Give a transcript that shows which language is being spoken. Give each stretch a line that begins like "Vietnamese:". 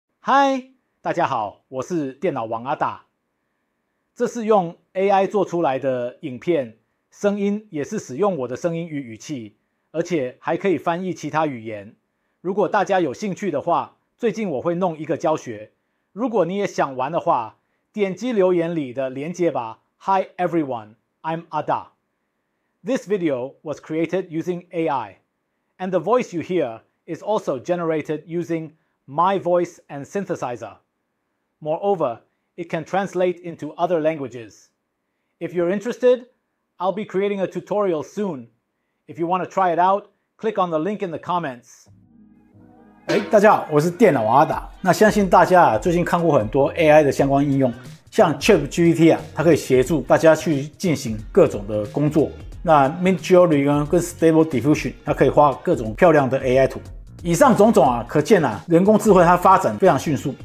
Chinese: 嗨，大家好，我是电脑王阿达。这是用 AI 做出来的影片，声音也是使用我的声音与语气，而且还可以翻译其他语言。如果大家有兴趣的话，最近我会弄一个教学。如果你也想玩的话，点击留言里的连结吧。
English: Hi everyone, I'm Ada. This video was created using AI, and the voice you hear is also generated using my voice and synthesizer. Moreover, it can translate into other languages. If you're interested, I'll be creating a tutorial soon. If you want to try it out, click on the link in the comments.
Chinese: 大家好，我是电脑阿达。那相信大家最近看过很多 AI 的相关应用，像 ChatGPT 啊，它可以协助大家去进行各种的工作。那 Midjourney 跟 Stable Diffusion， 它可以画各种漂亮的 AI 图。以上种种啊，可见啊，人工智慧它发展非常迅速。